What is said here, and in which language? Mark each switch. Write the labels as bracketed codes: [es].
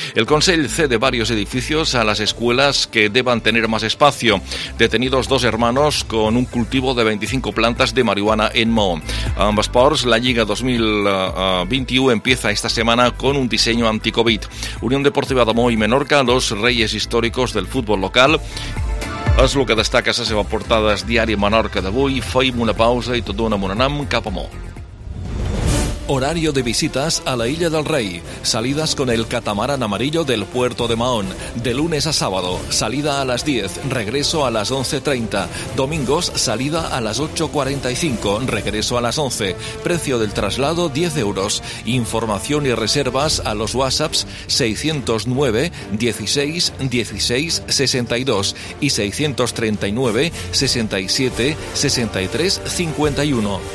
[es] El Consell cede varios edificios a las escuelas que deban tener más espacio. Detenidos dos hermanos con un cultivo de 25 plantas de marihuana en Mahó. Ambas sports, la Liga 2021 empieza esta semana con un diseño anti-COVID. Unión Deportiva de Mahó y Menorca, los reyes históricos del fútbol local. [ca] És el que destaca la seva portada del Diari Menorca d'avui. Feim una pausa i tot d'una monanam cap a Mahó. [es] Horario de visitas a la Isla del Rey. Salidas con el catamarán amarillo del puerto de Mahón. De lunes a sábado, salida a las 10, regreso a las 11:30. Domingos, salida a las 8:45, regreso a las 11. Precio del traslado, 10 euros. Información y reservas a los WhatsApps 609 16 16 62 y 639 67 63 51.